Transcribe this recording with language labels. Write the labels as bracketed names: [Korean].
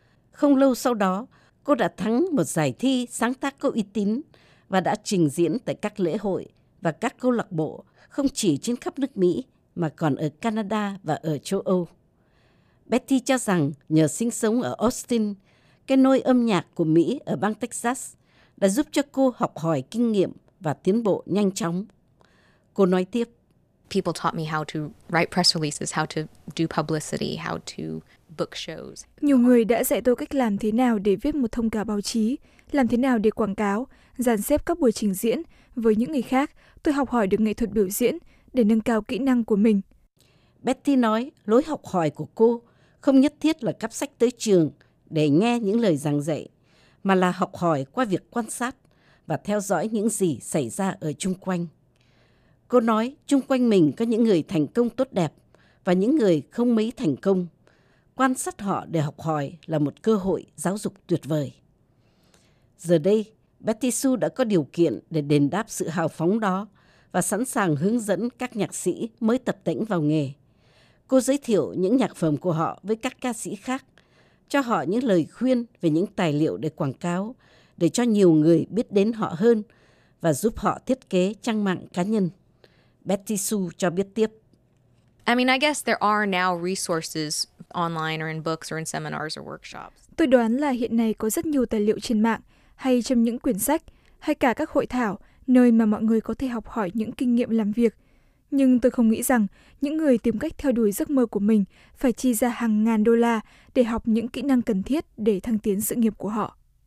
[Vietnamese] Không lâu sau đó, cô đã thắng một giải thi sáng tác có uy tín và đã trình diễn tại các lễ hội và các câu lạc bộ không chỉ trên khắp nước Mỹ mà còn ở Canada và ở châu Âu. Patti cho rằng nhờ sinh sống ở Austin, cái nôi âm nhạc của Mỹ ở bang Texas đã giúp cho cô học hỏi kinh nghiệm và tiến bộ nhanh chóng. Cô nói tiếp. [English] People taught me how to write press releases, how to do publicity, how to book shows. [Vietnamese] Nhiều người đã dạy tôi cách làm thế nào để viết một thông cáo báo chí, làm thế nào để quảng cáo, dàn xếp các buổi trình diễn. Với những người khác, tôi học hỏi được nghệ thuật biểu diễn để nâng cao kỹ năng của mình. Patti nói lối học hỏi của cô không nhất thiết là cắp sách tới trường để nghe những lời giảng dạy, mà là học hỏi qua việc quan sát và theo dõi những gì xảy ra ở chung quanh. Cô nói chung quanh mình có những người thành công tốt đẹp và những người không mấy thành công. Quan sát họ để học hỏi là một cơ hội giáo dục tuyệt vời. Giờ đây, Betty Sue đã có điều kiện để đền đáp sự hào phóng đó và sẵn sàng hướng dẫn các nhạc sĩ mới tập tễnh vào nghề. Cô giới thiệu những nhạc phẩm của họ với các ca sĩ khác, cho họ những lời khuyên về những tài liệu để quảng cáo, để cho nhiều người biết đến họ hơn và giúp họ thiết kế trang mạng cá nhân. Betty Sue cho biết tiếp. [English] I mean, I guess there are now resources online or in books or in seminars or workshops. [Vietnamese] Tôi đoán là hiện nay có rất nhiều tài liệu trên mạng, hay trong những quyển sách, hay cả các hội thảo, nơi mà mọi người có thể học hỏi những kinh nghiệm làm việc. Nhưng tôi không nghĩ rằng những người tìm cách theo đuổi giấc mơ của mình phải chi ra hàng ngàn đô la để học những kỹ năng cần thiết để thăng tiến sự nghiệp của họ.